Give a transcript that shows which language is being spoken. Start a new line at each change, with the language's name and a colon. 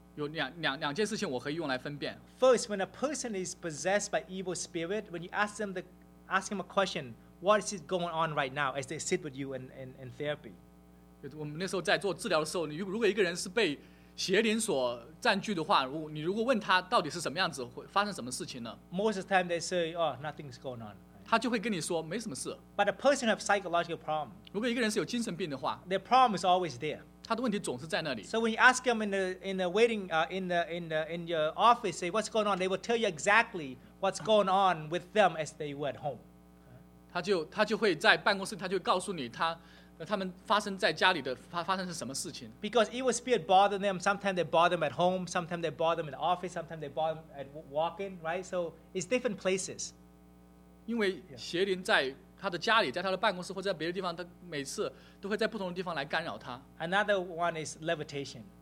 Chinese: 有两件事情我可以用来分辨。
English: First, when a person is possessed by evil spirit, when you ask him a question, what is it going on right now as they sit with you in therapy?
Chinese: 我们那时候在做治疗的时候，你如果一个人是被邪灵所占据的话，你如果问他到底是什么样子，会发生什么事情呢
English: ？Most of the time they say, "Oh, nothing's going on."
Chinese: 他就会跟你说没什么事。
English: But a person have psychological problem.
Chinese: 如果一个人是有精神病的话
English: ，their problem is always there.
Chinese: 他的问题总是在那里。
English: So when you ask them in the waiting, in your office, say what's going on, they will tell you exactly what's going on with them as they were at home.
Chinese: 他就会在办公室，他就告诉你他。他们发生在家里的发生是什么事情
English: ？Because evil spirit bother them. Sometimes they bother them at home. Sometimes they bother them in the office. Sometimes they bother them at walking. Right? So it's different places.
Chinese: 因为邪灵在他的家里，在他的办公室或者在别的地方，他每次都会在不同的地方来干扰他。
English: Another one is levitation.